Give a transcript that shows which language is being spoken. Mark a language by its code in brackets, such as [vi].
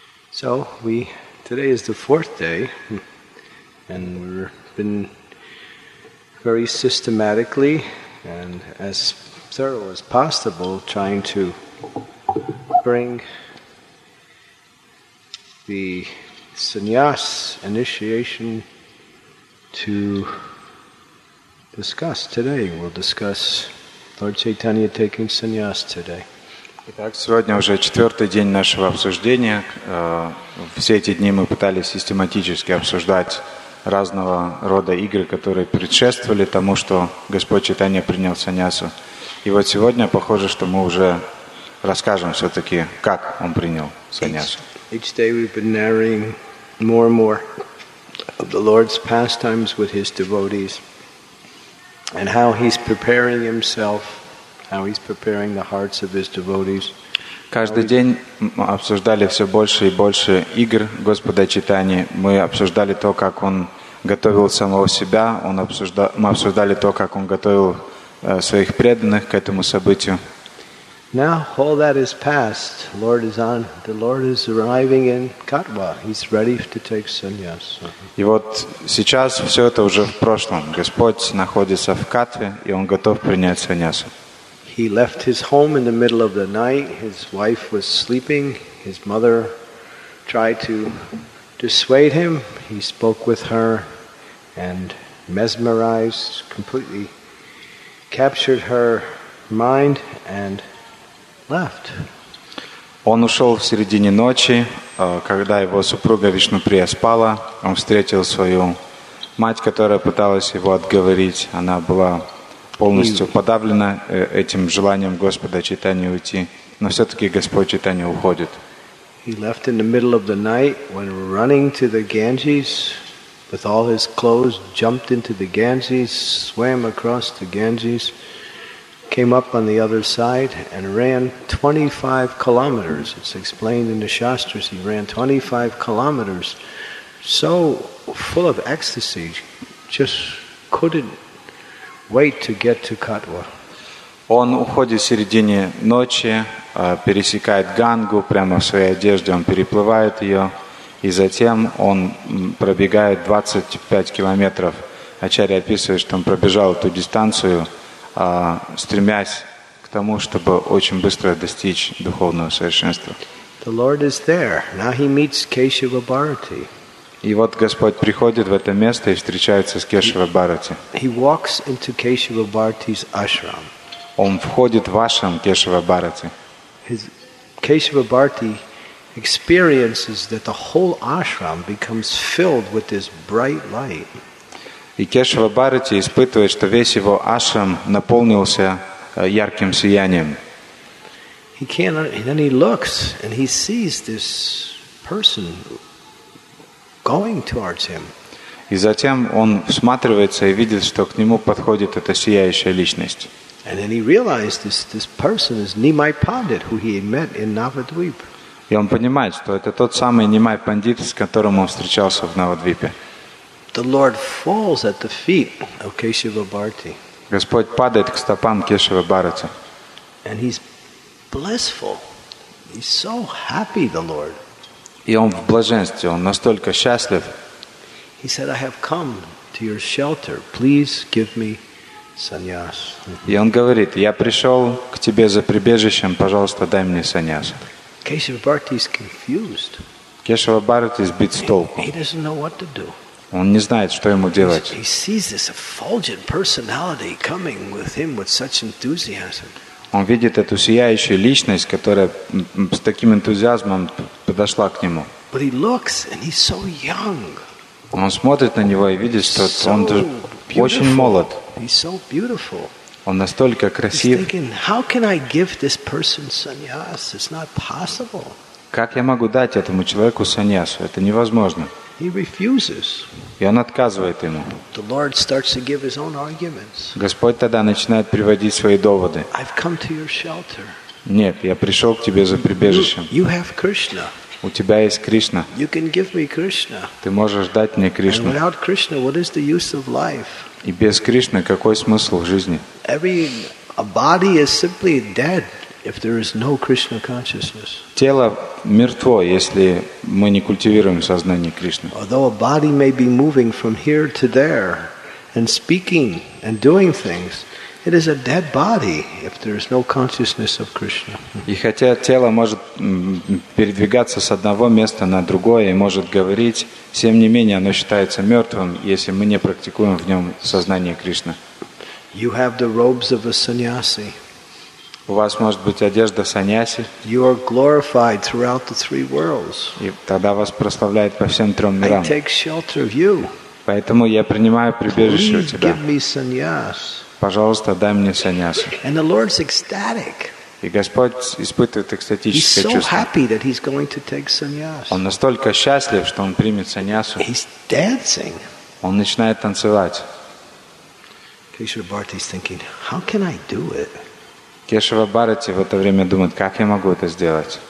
[en] So, today is the fourth day, and we've been very systematically and as thorough as possible trying to bring the sannyas initiation to discuss today. We'll discuss Lord Chaitanya taking sannyas today. [ru] Итак, сегодня уже четвертый день нашего обсуждения. Все эти дни мы пытались систематически обсуждать разного рода игры, которые предшествовали тому, что Господь Чайтанья принял саньясу. И вот сегодня, похоже, что мы уже расскажем все-таки, как он принял саньясу. [en] Each day we've been narrating more and more of the Lord's pastimes with his devotees and how he's preparing himself, how he's preparing the hearts of his devotees. [ru] Каждый день мы обсуждали все больше и больше игр Господа Чайтаньи. Мы обсуждали то, как он готовил самого себя. Мы обсуждали то, как он готовил своих преданных к этому событию. [en] Now all that is past. The Lord is arriving in Katwa. He's ready to take sannyas. [ru] И вот сейчас все это уже в прошлом. Господь находится в Катве, и он готов принять саньясу. [en] He left his home in the middle of the night. His wife was sleeping. His mother tried to dissuade him. He spoke with her and mesmerized, completely captured her mind and left. [ru] Он ушел в середине ночи, когда его супруга Вишнуприя спала. Он встретил свою мать, которая пыталась его отговорить. Она была полностью подавлена этим желанием Господа Чайтаньи уйти, но все-таки Господь Чайтаньи уходит. [en] He left in the middle of the night, went running to the Ganges with all his clothes, jumped into the Ganges, swam across the Ganges, came up on the other side and ran 25 kilometers. It's explained in the Shastras, he ran 25 kilometers, so full of ecstasy, just couldn't wait to get to Katwa. [ru] Он уходит в середине ночи, пересекает Гангу прямо в своей одежде, он переплывает ее, и затем он пробегает 25 километров. Ачарья описывает, что он пробежал эту дистанцию, стремясь к тому, чтобы очень быстро достичь духовного совершенства. [en] The Lord is there. Now he meets Keshava Bharati. [ru] И вот Господь приходит в это место и встречается с Кешава Бхарати. [en] He walks into Kesava Bharati's ashram. [ru] Он входит в ашрам Кешава Бхарати. [en] Kesava Bharati experiences that the whole ashram becomes filled with this bright light. [ru] И Кешава Бхарати испытывает, что весь его ашрам наполнился ярким сиянием. [en] Then he looks and he sees this person going towards him. [ru] И затем он всматривается и видит, что к нему подходит эта сияющая личность. [en] And then he realized this person is Nimai Pandit, who he had met in Navadvip. [ru] И он понимает, что это тот самый Нимай Пандит, с которым он встречался в Навадвипе. [en] The Lord falls at the feet of Keshava Bharati. [ru] Господь падает к стопам Кешава Бхарати. [en] And he's blissful. He's so happy, the Lord. [ru] И он в блаженстве, он настолько счастлив. [en] He said, I have come to your shelter. Please give me sannyas. [ru] И он говорит, я пришел к тебе за прибежищем, пожалуйста, дай мне sannyas. [en] Keshava Bharati is confused. [ru] Кешава Бхарати сбит с толку. [en] He doesn't know what to do. [ru] Он не знает, что ему делать. [en] He sees this effulgent personality coming with him with such enthusiasm. [ru] Он видит эту сияющую личность, которая с таким энтузиазмом подошла к нему. [en] But he looks and he's so young. [ru] Он смотрит на него и видит, что он очень молод. [en] He's so beautiful. [ru] Он настолько красив. [en] He's thinking, how can I give this person sannyas? It's not possible. [ru] Как я могу дать этому человеку саньясу? Это невозможно. [en] He refuses. [ru] И он отказывает ему. [en] The Lord starts to give his own arguments. [ru] Господь тогда начинает приводить свои доводы. [en] I've come to your shelter. [ru] Нет, я пришел к тебе за прибежищем. [en] You have Krishna. [ru] У тебя есть Кришна. [en] You can give me Krishna. [ru] Ты можешь дать мне Кришну. [en] And without Krishna, what is the use of life? [ru] И без Кришны какой смысл в жизни? [en] A body is simply dead if there is no Krishna consciousness. [ru] Тело мертво, если мы не культивируем сознание Кришны. [en] Although a body may be moving from here to there and speaking and doing things, it is a dead body if there is no consciousness of Krishna. [ru] И хотя тело может передвигаться с одного места на другое и может говорить, тем не менее оно считается мертвым, если мы не практикуем в нем сознание Кришны. [en] You have the robes of a sannyasi. [ru] У вас может быть одежда саньяси. [en] You are glorified throughout the three worlds. [ru] И тогда вас прославляют по всем трем мирам. [en] I take shelter of you. [ru] Поэтому я принимаю прибежище у тебя. [en] Give me sannyas. [ru] Пожалуйста, дай мне саньясу. [en] And the Lord's ecstatic. [ru] И Господь испытывает экстатическое чувство. [en] He's so happy that he's going to take sannyas. [ru] Он настолько счастлив, что он примет саньясу. [en] He's dancing. [ru] Он начинает танцевать. [en] Кешава Бхарати is thinking, how can I do it? [ru] Кешава Бхарати в это время думает, как я могу это сделать?